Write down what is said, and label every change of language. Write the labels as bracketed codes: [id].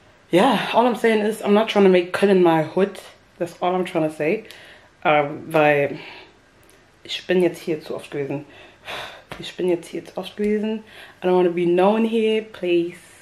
[en] Yeah, all I'm saying is, I'm not trying to make Köln my hood. That's all I'm trying to say. [de] Weil ich bin jetzt hier zu oft gewesen. [en] I don't want to be known here, please.